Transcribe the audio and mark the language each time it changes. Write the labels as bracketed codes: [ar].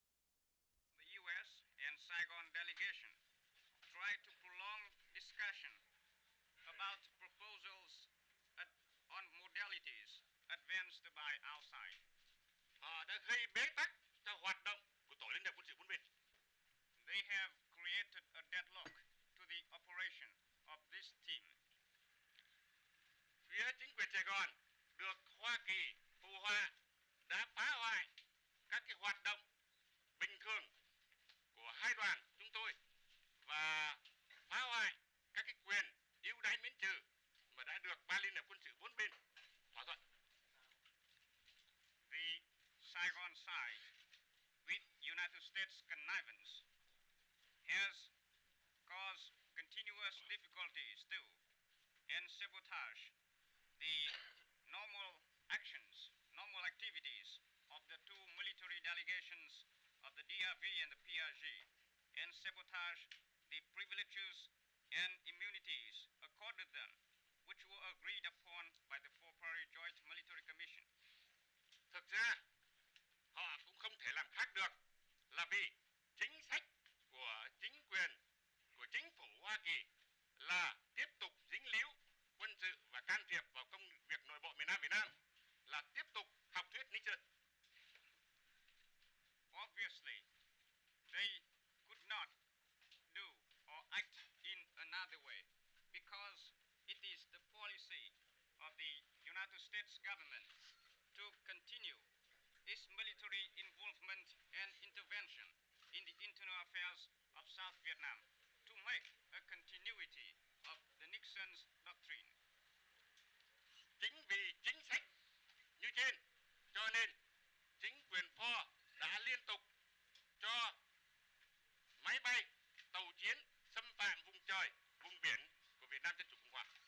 [en] Pentagon delegation tried to prolong discussion about proposals on modalities advanced by our side. [vi] Họ đã gây bế tắc cho hoạt động của tổ liên hiệp quân sự bốn bên. [en] They have created a deadlock to the operation of this team. [vi] Phía chính quyền Sài Gòn được Hoa Kỳ phù hòa đã phá hoại các cái hoạt động bình thường của hai đoàn chúng tôi và phá hoại các cái quyền ưu đãi miễn trừ mà đã được ba liên hiệp quân sự bốn bên thỏa thuận. [en] The Saigon side, with United States connivance, has caused continuous difficulties too and sabotage the normal actions, normal activities of the two military delegations of the DRV and the PRG, and sabotage the privileges and immunities accorded them, which were agreed upon by the Four Party Joint Military Commission. [vi] Thực ra, họ cũng không thể làm khác được là vì chính sách của chính quyền, của chính phủ Hoa Kỳ là tiếp tục dính líu quân sự và can thiệp vào công việc nội bộ miền Nam Việt Nam, là tiếp tục học thuyết Nixon. [en] Obviously, they could not do or act in another way because it is the policy of the United States government to continue its military involvement and intervention in the internal affairs of South Vietnam to make a continuity of the Nixon's doctrine. [vi] Chính vì chính sách như trên, cho nên chính quyền Ford đã liên tục cho máy bay, tàu chiến xâm phạm vùng trời, vùng biển của Việt Nam Dân Chủ Cộng Hòa.